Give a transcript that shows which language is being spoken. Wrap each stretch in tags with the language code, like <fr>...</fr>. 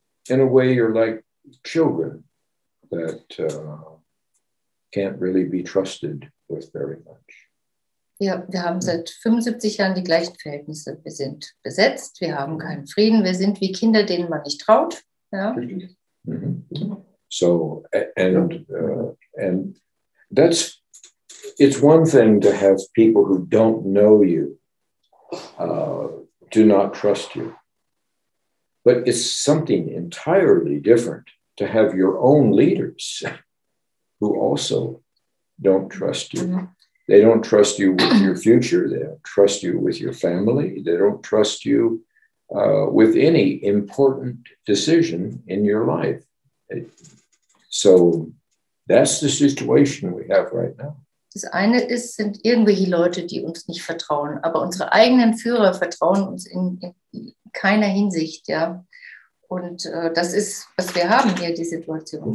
<en>In a way, you're like children that can't really be trusted with very much.</en> <de>Ja, wir haben seit 75 Jahren die gleichen Verhältnisse. Wir sind besetzt, wir haben keinen Frieden, wir sind wie Kinder, denen man nicht traut. Ja.</de> <en>So, and that's, it's one thing to have people who don't know you, do not trust you. But it's something entirely different to have your own leaders who also don't trust you. They don't trust you with your future. They don't trust you with your family. They don't trust you with any important decision in your life. So that's the situation we have right now.</en> <de>Das eine ist, sind irgendwelche Leute, die uns nicht vertrauen. Aber unsere eigenen Führer vertrauen uns in keiner Hinsicht. Ja. Und das ist, was wir haben hier, die Situation.</de>